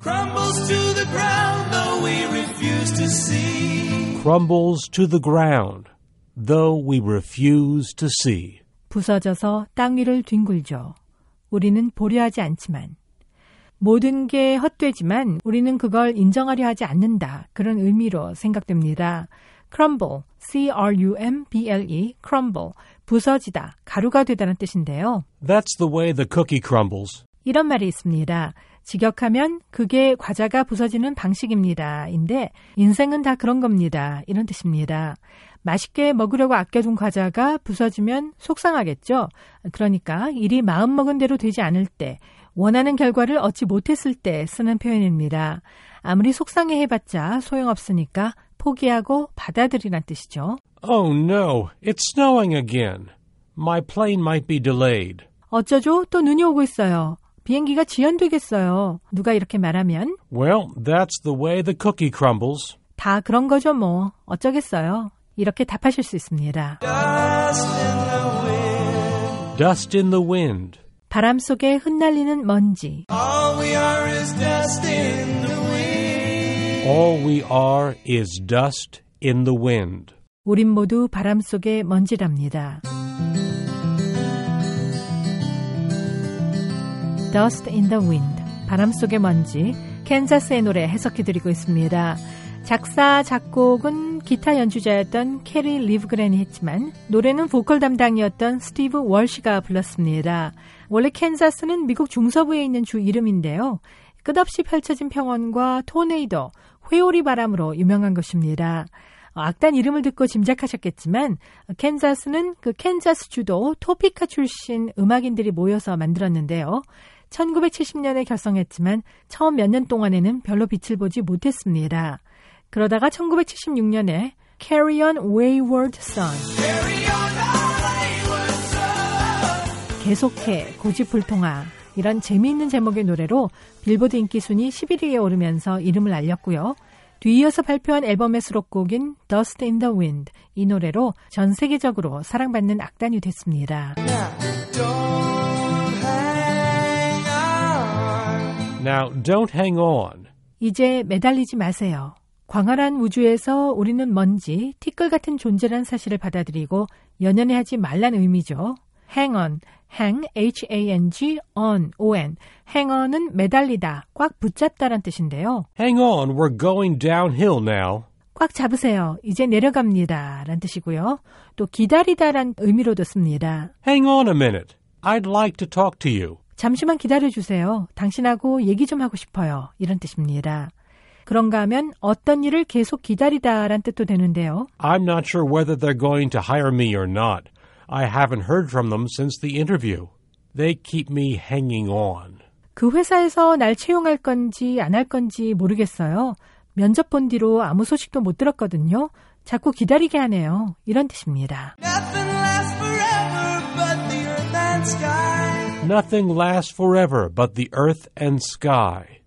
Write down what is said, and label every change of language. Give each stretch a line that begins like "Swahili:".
English: crumbles to the ground though we refuse to see. Crumbles to the ground though we refuse to see.
Korean: 부서져서 땅 위를 뒹굴죠. 우리는 보려하지 않지만 모든 게 헛되지만 우리는 그걸 인정하려 하지 않는다. 그런 의미로 생각됩니다. Crumble, C-R-U-M-B-L-E, crumble, 부서지다, 가루가 되다는 뜻인데요.
English: That's the way the cookie crumbles.
Korean: 이런 말이 있습니다. 직역하면 그게 과자가 부서지는 방식입니다.인데 인생은 다 그런 겁니다. 이런 뜻입니다. 맛있게 먹으려고 아껴둔 과자가 부서지면 속상하겠죠. 그러니까 일이 마음먹은 대로 되지 않을 때, 원하는 결과를 얻지 못했을 때 쓰는 표현입니다. 아무리 속상해해봤자 소용없으니까 포기하고 받아들이란 뜻이죠.
English: Oh no, it's snowing again. My plane might be delayed.
Korean: 어쩌죠? 또 눈이 오고 있어요. 비행기가 지연되겠어요. 누가 이렇게 말하면?
English: Well, that's the way the cookie crumbles.
Korean: 다 그런 거죠, 뭐. 어쩌겠어요. 이렇게 답하실 수 있습니다.
English: Dust in the wind. Dust in the wind.
Korean: 바람 속에 흩날리는 먼지.
English: All we are is dust in the wind. All we are is dust in the wind.
Korean: 우린 모두 바람 속에 먼지랍니다.
English: Dust in the wind.
Korean: 바람 속에 먼지. 캔자스의 노래 해석해드리고 있습니다. 작사, 작곡은 기타 연주자였던 캐리 리브그랜이 했지만 노래는 보컬 담당이었던 스티브 월시가 불렀습니다. 원래 캔자스는 미국 중서부에 있는 주 이름인데요. 끝없이 펼쳐진 평원과 토네이도, 회오리 바람으로 유명한 것입니다. 악단 이름을 듣고 짐작하셨겠지만 캔자스는 그 캔자스 주도 토피카 출신 음악인들이 모여서 만들었는데요. 1970년에 결성했지만 처음 몇 년 동안에는 별로 빛을 보지 못했습니다. 그러다가 1976년에
English: Carry On Wayward Son, Carry On Wayward Son,
Korean: 계속해 고집불통아 이런 재미있는 제목의 노래로 빌보드 인기 순위 11위에 오르면서 이름을 알렸고요. 뒤이어서 발표한 앨범의 수록곡인 Dust in the Wind, 이 노래로 전 세계적으로 사랑받는 악단이 됐습니다.
English: Now, don't hang on.
Korean: 이제 매달리지 마세요. 광활한 우주에서 우리는 먼지, 티끌 같은 존재란 사실을 받아들이고 연연해하지 말란 의미죠.
English: Hang on, hang, H-A-N-G, on, O-N.
Korean: Hang on은 매달리다, 꽉 붙잡다란 뜻인데요.
English: Hang on, we're going downhill now.
Korean: 꽉 잡으세요, 이제 내려갑니다, 라는 뜻이고요. 또 기다리다란 의미로도 씁니다. Hang on a minute, I'd like to talk to you. 잠시만 기다려주세요, 당신하고 얘기 좀 하고 싶어요, 이런 뜻입니다. 그런가 하면 어떤 일을 계속 기다리다란 뜻도 되는데요.
English: I'm not sure whether they're going to hire me or not. I haven't heard from them since the interview. They keep me hanging on.
Korean: 그 회사에서 날 채용할 건지 안 할 건지 모르겠어요. 면접 본 뒤로 아무 소식도 못 들었거든요. 자꾸 기다리게 하네요. 이런 뜻입니다.
English: Nothing lasts forever but the earth and sky. Nothing lasts forever but the earth and sky.